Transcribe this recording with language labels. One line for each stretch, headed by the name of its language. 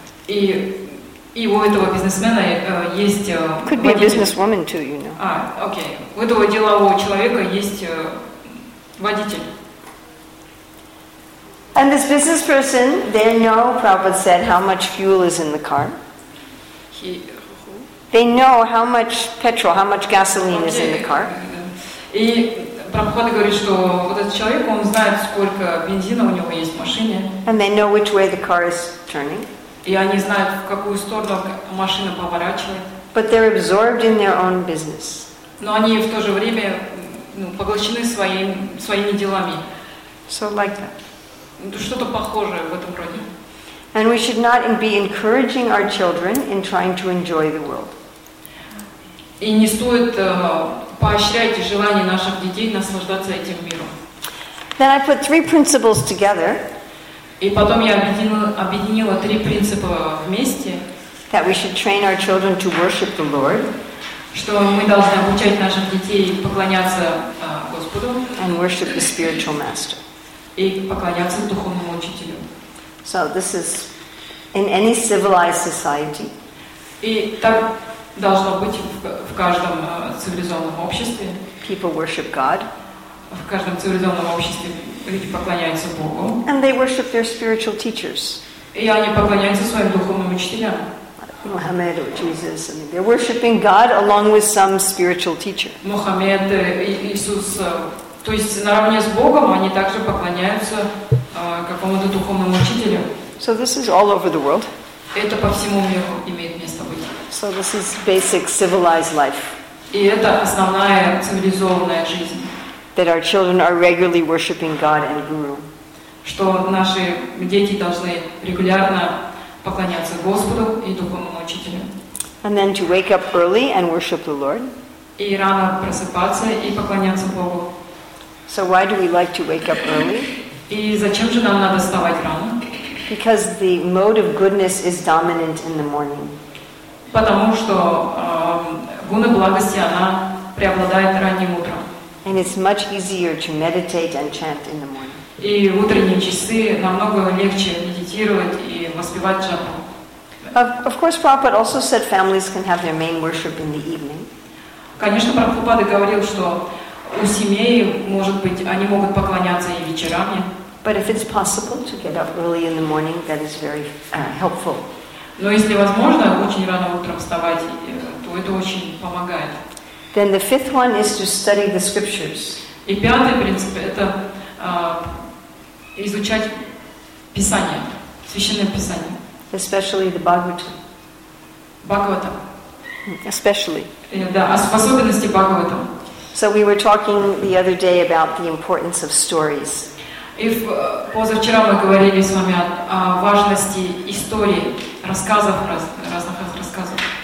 Russian: И у этого бизнесмена есть водитель.
English: Could be a businesswoman too, you know. Okay.
Russian: У этого делового человека есть водитель.
English: And this business person, they know, Prabhupada said, how much fuel is in the car. They know how much petrol, how much gasoline is in the car.
Russian: И Прабхупада говорит, что вот этот человек, он знает, сколько бензина у него есть в машине.
English: And they know which way the car is turning.
Russian: И они знают, в какую сторону машина поворачивает.
English: But they're absorbed in their own business.
Russian: Но они в то же время поглощены своими делами.
English: So like that.
Russian: Что-то похожее в этом роде.
English: And we should not be encouraging our children in trying to enjoy the world.
Russian: И не стоит поощрять желание наших детей наслаждаться этим миром.
English: Then I put three principles together.
Russian: И потом я объединила три принципа вместе.
English: That we should train our children to worship the Lord.
Russian: Что мы должны обучать наших детей поклоняться Господу.
English: And worship the spiritual master.
Russian: И поклоняться духовному учителю.
English: So this is in any civilized society.
Russian: И так должно быть в каждом цивилизованном обществе.
English: People worship God.
Russian: В каждом цивилизованном обществе люди поклоняются Богу.
English: And they worship their spiritual teachers.
Russian: И они поклоняются своим духовным учителям.
English: Мухаммед, Иисус, I mean, they're worshiping God along with some spiritual teacher.
Russian: Мухаммед, Иисус. То есть наравне с Богом они также поклоняются какому-то духовному учителю.
English: So this is all over the world.
Russian: Это по всему миру имеет место быть.
English: So this is basic civilized life.
Russian: И это основная цивилизованная жизнь.
English: that our children are regularly worshiping God and Guru.
Russian: Что наши дети должны регулярно поклоняться Господу и духовному учителю.
English: And then to wake up early and worship the Lord.
Russian: И рано просыпаться и поклоняться Богу.
English: So why do we like to wake up early?
Russian: И зачем же нам надо вставать рано?
English: Because the mode of goodness is dominant in the morning.
Russian: Потому что гуна благости она преобладает ранним утром.
English: And it's much easier to meditate and chant in the morning.
Russian: И в утренние часы намного легче медитировать и воспевать джапу.
English: Of course, Prabhupada also said families can have their main worship in the evening.
Russian: Конечно, Прабхупада говорил, что у семей может быть, они могут поклоняться и вечерами.
English: But if it's possible to get up early in the morning, that is very helpful.
Russian: Но если возможно очень рано утром вставать, то это очень помогает.
English: Then the fifth one is to study the scriptures.
Russian: И пятый принцип это изучать Писание, священное Писание.
English: Especially the Bhagavatam.
Russian: Бхагаватам.
English: Especially.
Russian: Да, в особенности Бхагаватам.
English: So we were talking the other day about the importance of stories.
Russian: И позавчера мы говорили с вами о важности истории, рассказов, разных рассказов.